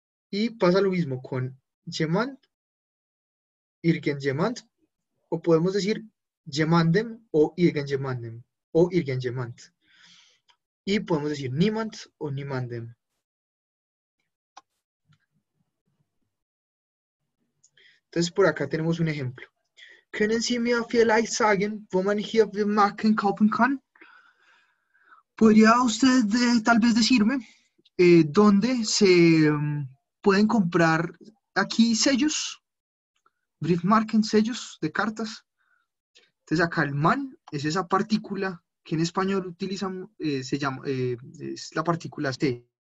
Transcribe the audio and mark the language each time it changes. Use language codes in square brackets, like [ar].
[es] Y pasa lo mismo con jemand, irgend jemand, o podemos decir jemandem o irgend jemandem, o irgend jemand. Y podemos decir niemand o niemandem. Entonces por acá tenemos un ejemplo. [de] ¿Können Sie mir vielleicht sagen, wo man hier Marken kaufen kann? [es] ¿Podría usted tal vez decirme dónde se pueden comprar aquí sellos? Briefmarken, sellos de cartas. Entonces acá el man es esa partícula que en español utilizan, se llama, es la partícula C.